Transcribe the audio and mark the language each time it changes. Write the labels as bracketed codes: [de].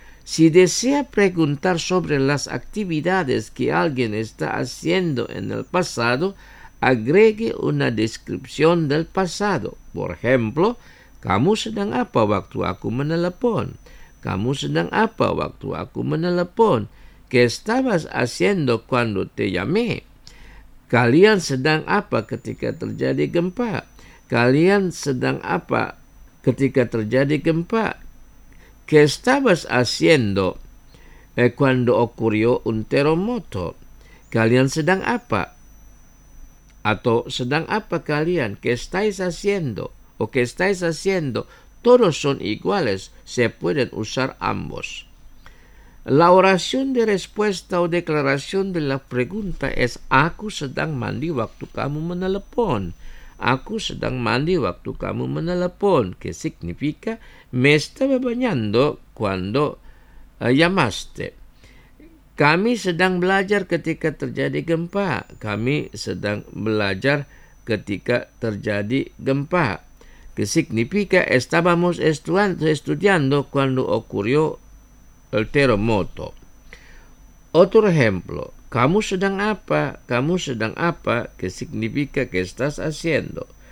[es] Si desea preguntar sobre las actividades que alguien está haciendo en el pasado, agregue una descripción del pasado. Por ejemplo, [id] ¿Kamu sedang apa waktu aku menelepon? ¿Kamu sedang apa waktu aku menelepon? [es] ¿Qué estabas haciendo cuando te llamé? [id] ¿Kalian sedang apa ketika terjadi gempa? ¿Kalian sedang apa ketika terjadi gempa? [es] ¿Qué estabas haciendo cuando ocurrió un terremoto? [id] ¿Kalian sedang apa? Atau sedang apa kalian? [es] ¿Qué estáis haciendo? ¿O qué estáis haciendo? Todos son iguales. Se pueden usar ambos. La oración de respuesta o declaración de la pregunta es [id] aku sedang mandi waktu kamu menelepon. Aku sedang mandi waktu kamu menelepon. [es] ¿Qué significa? Me estaba bañando cuando llamaste. [id] Kami sedang belajar ketika terjadi gempa. Kami sedang belajar ketika terjadi gempa. [es] ¿Qué significa? Estábamos estudiando cuando ocurrió el terremoto. Otro ejemplo. [id] ¿Kamu sedang apa? [es] ¿Qué significa qué estás haciendo?